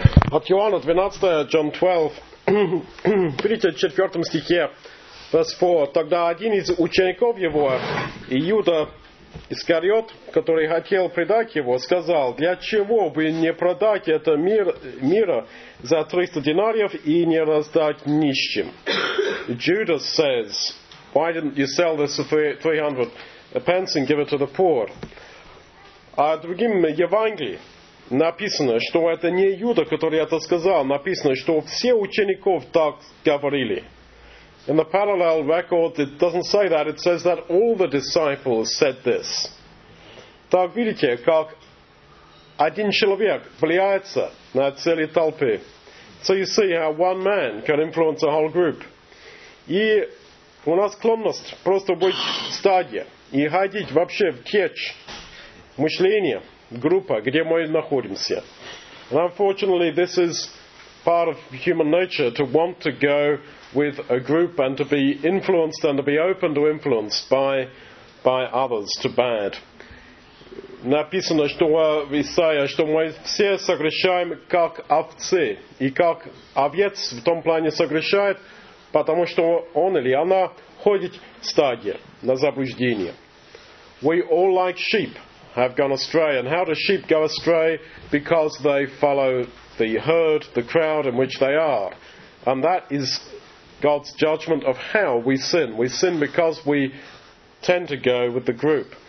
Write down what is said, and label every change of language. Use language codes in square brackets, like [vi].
[ru] от Йоанна 12, Джон 12, 34 стихе, [en] verse 4, [ru] тогда один из учеников его, Иуда Искариот, который хотел предать его, сказал, для чего бы не продать это мира за 300 динариев и не раздать нищим? [en] Judas says, why didn't you sell this for 300 pence and give it to the poor? [ru] А другим Евангелии написано, что это не Иуда, который это сказал, написано, что все учеников так говорили. [en] In the parallel record, it doesn't say that. It says that all the disciples said this. [ru] Так видите, как один человек влияется на целую толпу. [en] So you see how one man can influence a whole group. [ru] И у нас склонность просто быть в стадии и ходить вообще в течь мышления группы, где мы находимся. [en] And unfortunately, this is part of human nature to want to go with a group and to be influenced and to be open to influence by others to bad. [ru] Написано, что в Исаии, что мы все согрешаем как овцы, и как овец в том плане согрешает, потому что он или она ходит в стадии на заблуждение. [en] We all like sheep have gone astray, and how do sheep go astray? Because they follow the herd, the crowd in which they are, and that is God's judgment of how we sin. We sin because we tend to go with the group.